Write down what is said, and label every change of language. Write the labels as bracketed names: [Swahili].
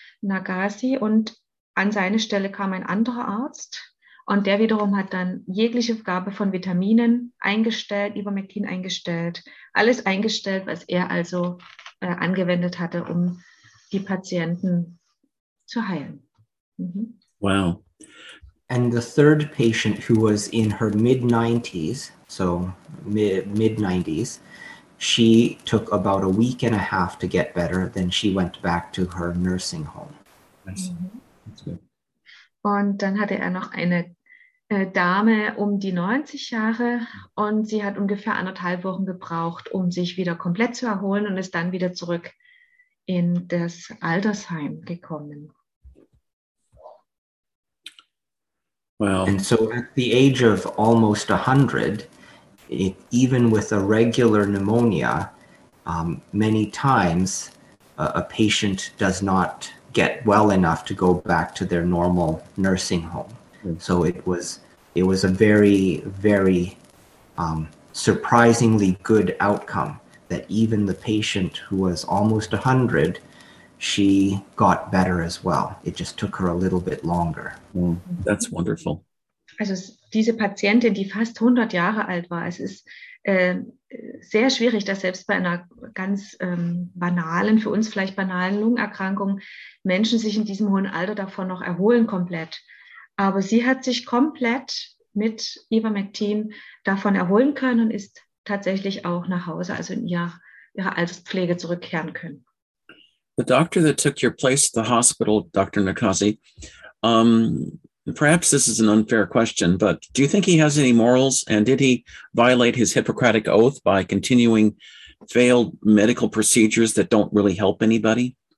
[German] Nagasi, und an seine Stelle kam ein anderer Arzt und der wiederum hat dann jegliche Gabe von Vitaminen eingestellt, Ivermectin eingestellt, alles eingestellt, was er also angewendet hatte, um die Patienten zu heilen. Mhm. Wow. [English] And the third patient, who was in her mid-90s, so mid-90s, she took about a week and a half to get better, then she went back to her nursing home. Mm-hmm. That's good. [German] Und dann hatte er noch eine Dame um die 90 Jahre und sie hat ungefähr 1,5 Wochen gebraucht, um sich wieder komplett zu erholen und ist dann wieder zurück in das Altersheim gekommen. [English] Well, and so at the age of almost 100, it, even with a regular pneumonia, many times a patient does not get well enough to go back to their normal nursing home. Mm-hmm. So it was a very, very surprisingly good outcome that even the patient who was almost 100, she got better as well. It just took her a little bit longer. Mm-hmm. That's wonderful. [German] Also diese Patientin, die fast 100 Jahre alt war, es ist sehr schwierig, dass selbst bei einer ganz banalen, für uns vielleicht banalen Lungenerkrankung, Menschen sich in diesem hohen Alter davon noch erholen komplett. Aber sie hat sich komplett mit Ivermectin davon erholen können und ist tatsächlich auch nach Hause, also in ihre Alterspflege zurückkehren können. [English] The doctor that took your place at the hospital, Dr. Nakazi, perhaps this is an unfair question, but do you think he has any morals, and did he violate his Hippocratic oath by continuing failed medical procedures that don't really help anybody?